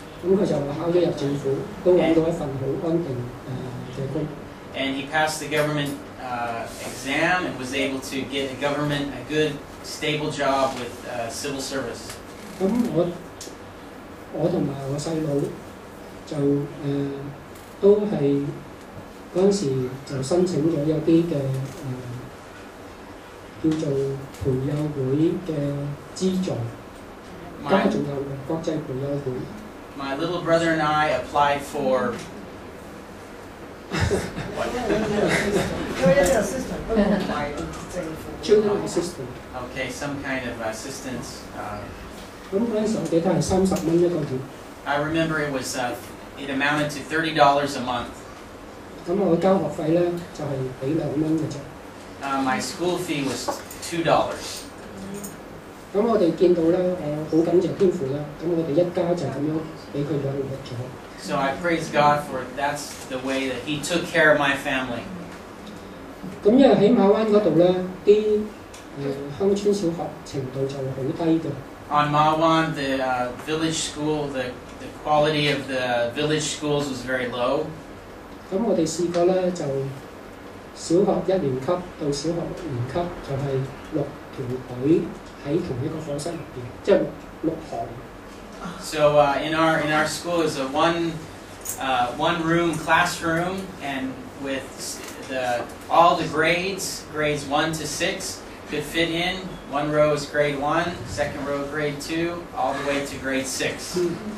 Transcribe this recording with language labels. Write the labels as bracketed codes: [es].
[yue] 咁佢就考咗入政府，都揾到一份好安定嘅工。 [en] And he passed the government exam and was able to get the government a good. Stable job with civil service. [yue] 咁我同埋我細佬就都係嗰陣時就申請咗一啲嘅叫做培幼會嘅資助，加上仲有國際培幼會。 [en] My little brother and I applied for. Children assistant. Okay, some kind of assistance. [yue] 咁嗰陣時我記得係$30一個月。 [en] I remember it was it amounted to $30 a month. [yue] 咁我交學費咧就係俾兩蚊嘅啫。 [en] My school fee was $2. [yue] 咁我哋見到咧，我好感謝天父啦。咁我哋一家就咁樣俾佢養活咗。 [en] So I praise God for that's the way that He took care of my family. [yue] 咁因為喺馬灣嗰度咧，啲鄉村小學程度就好低嘅。 [en] On Ma Wan, the village school, the quality of the village schools was very low. [yue] 咁我哋試過咧，就小學一年級到小學六年級就係六條隊喺同一個課室入邊，即係六行。 [en] So in our school is a one room classroom and with all the grades 1 to 6. Could fit in. One row is grade 1, second row grade 2, all the way to grade 6.